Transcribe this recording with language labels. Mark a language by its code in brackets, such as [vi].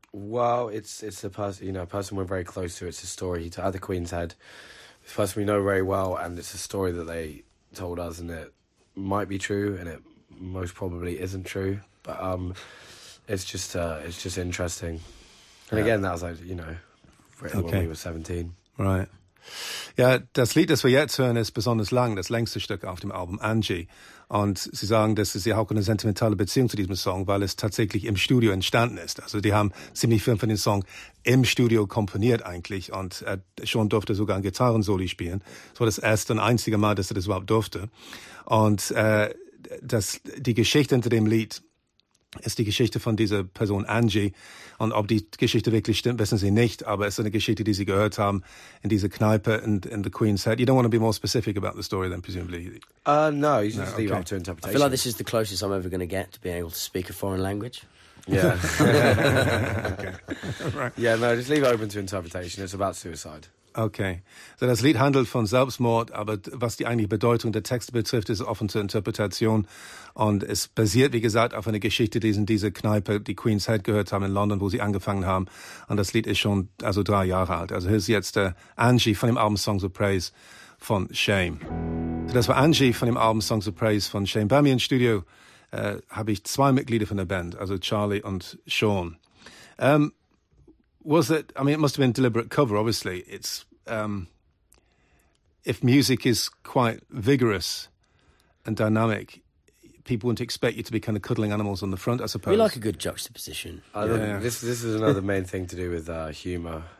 [en] Well, it's a person, you know, a person we're very close to. It's a story he told at the Queen's Head. It's a person we know very well, and it's a story that they told us, and it might be true, and it most probably isn't true. But it's just interesting. And again, that was like, you know, when we were 17. Right. [de] Ja, das Lied, das wir jetzt hören, ist besonders lang, das längste Stück auf dem Album, Angie. Und sie sagen, dass sie auch eine sentimentale Beziehung zu diesem Song, weil es tatsächlich im Studio entstanden ist. Also die haben ziemlich viel von dem Song im Studio komponiert eigentlich und er schon durfte sogar ein Gitarrensoli spielen. Das war das erste und einzige Mal, dass er das überhaupt durfte. Und die Geschichte hinter dem Lied ist die Geschichte von dieser Person Angie. Und ob die Geschichte wirklich stimmt, wissen sie nicht. Aber es ist eine Geschichte, die sie gehört haben in dieser Kneipe in the Queen's Head. [en] You don't want to be more specific about the story then, presumably? No, you just leave it up to interpretation. I feel like this is the closest I'm ever going to get to being able to speak a foreign language. Yeah. Okay. Right. Yeah, no, just leave it open to interpretation. It's about suicide. Okay. [de] So das Lied handelt von Selbstmord, aber was die eigentliche Bedeutung der Texte betrifft, ist offen zur Interpretation. Und es basiert, wie gesagt, auf einer Geschichte, die sie in dieser Kneipe, die Queen's Head, gehört haben in London, wo sie angefangen haben. Und das Lied ist schon also 3 Jahre alt. Also hier ist jetzt Angie von dem Album Songs of Praise von Shame. So das war Angie von dem Album Songs of Praise von Shame. Bei mir im Studio habe ich 2 Mitglieder von der Band, also Charlie und Sean. [en] Was it? I mean, it must have been deliberate cover. Obviously, it's if music is quite vigorous and dynamic, people wouldn't expect you to be kind of cuddling animals on the front. I suppose we like a good juxtaposition. This is another main thing to do with humour.